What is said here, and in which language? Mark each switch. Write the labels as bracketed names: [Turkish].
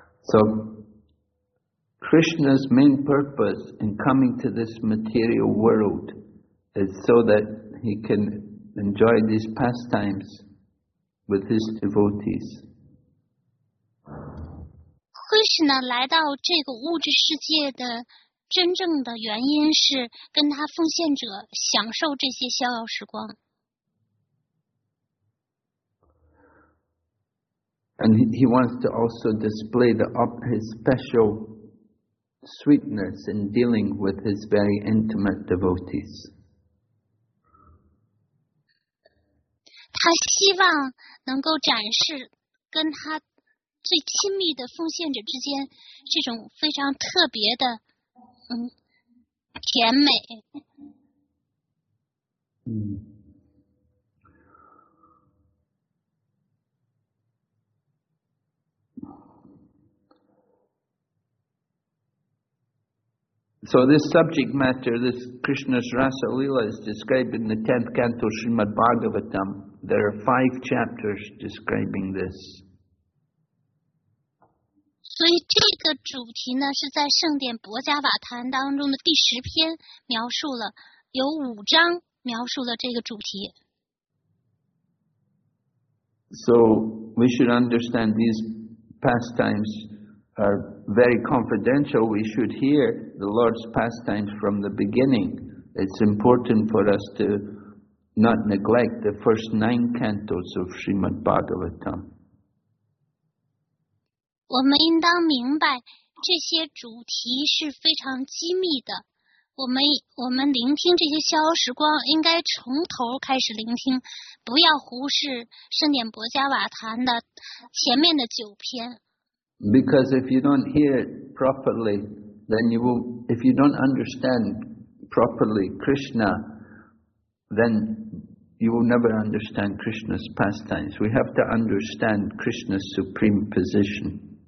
[English] So,Krishna's main purpose in coming to this material world is so that he can enjoy these pastimes with his devotees. [Chinese] Krishna 来到这个物质世界的真正的原因是跟他奉献者享受这些逍遥时光。 [English] And he wants to also display his special. Sweetness in dealing with his very intimate devotees. [Chinese] 他希望能够展示跟他最亲密的奉献者之间这种非常特别的甜美。 [English] So this subject matter, this Krishna's Rasa Lila is described in the 10th canto Srimad Bhagavatam. There are 5 chapters describing this. [Chinese] 所以这个主题呢是在圣典博迦瓦坛当中的第十篇描述了，有五章描述了这个主题。 [English] So we should understand these pastimes are very confidential. We should hear the Lord's pastimes from the beginning. It's important for us to not neglect the first 9 cantos of Srimad Bhagavatam. [Chinese] 我们应当明白这些主题是非常机密的。我们聆听这些逍遥时光应该从头开始聆听，不要忽视圣典博迦瓦坛的前面的九篇。 [English] Because if you don't hear it properly, then you will, if you don't understand properly Krishna, then you will never understand Krishna's pastimes. We have to understand Krishna's supreme position.